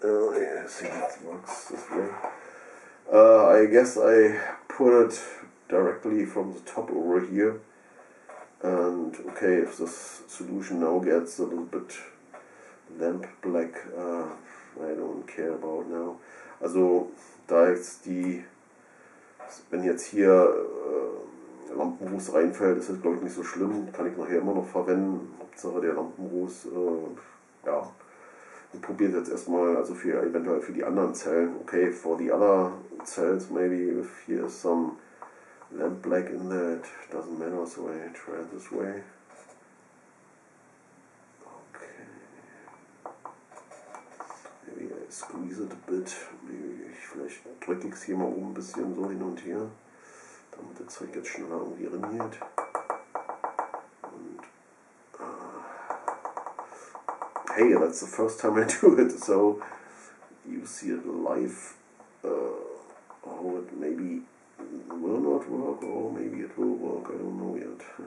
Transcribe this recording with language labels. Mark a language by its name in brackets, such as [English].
[English] Yeah, I see it works this way. I guess I put it directly from the top over here. And okay, if this solution now gets a little bit lamp black, I don't care about now. [German] Also, da jetzt die, wenn jetzt hier Lampenruß reinfällt, ist das glaube ich nicht so schlimm. Kann ich nachher immer noch verwenden. Hauptsache der Lampenruß, ja. Ich probiere jetzt erstmal, also für eventuell für die anderen Zellen. [English] Okay, for the other cells maybe, if here is some lamp black in that, doesn't matter, so I try it this way. Squeeze it a bit. [German] Vielleicht drücke ich es hier mal oben ein bisschen so hin und her, damit das Zeug jetzt schneller irgendwie rein geht. [English] Und hey, that's the first time I do it, so you see it live. Oh, it maybe will not work, or maybe it will work, I don't know yet.